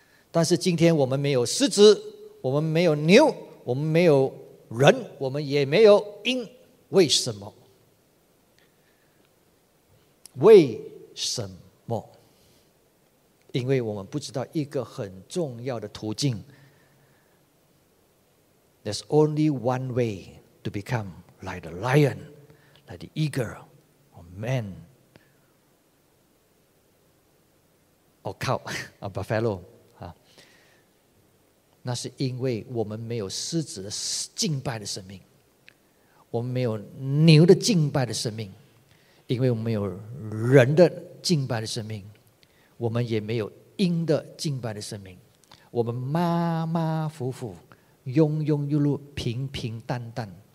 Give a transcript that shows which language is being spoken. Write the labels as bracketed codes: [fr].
[zh] 但是今天我们没有狮子，我们没有牛，我们没有人，我们也没有鹰，为什么？为什么？因为我们不知道一个很重要的途径。 [en] There's only one way to become like the lion, like the eagle, or man, or cow, or buffalo. [zh] 那是因为我们没有狮子的敬拜的生命，我们没有牛的敬拜的生命，因为我们没有人的敬拜的生命，我们也没有鹰的敬拜的生命，我们马马虎虎，庸庸碌碌，平平淡淡。